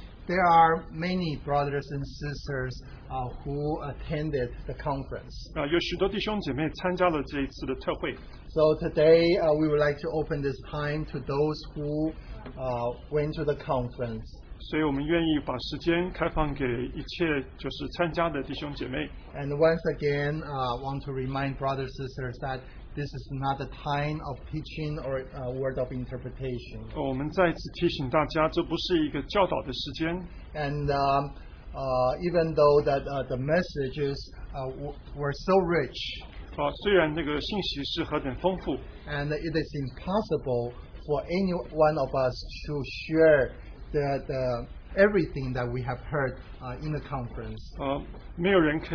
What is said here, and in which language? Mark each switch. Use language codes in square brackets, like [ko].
[en] There are many brothers and sisters who attended the conference. [zh] 有许多弟兄姐妹参加了这一次的特会。 [en] So today we would like to open this time to those who went to the conference. [zh] 所以我们愿意把时间开放给一切就是参加的弟兄姐妹。 [en] And once again, I want to remind brothers and sisters that this is not a time of teaching or a word of interpretation. [zh] 我们再次提醒大家，这不是一个教导的时间。 [en] And even though that the messages were so rich, [zh] 虽然那个信息是何等丰富, [en] and it is impossible for any one of us to share the everything that we have heard in the conference.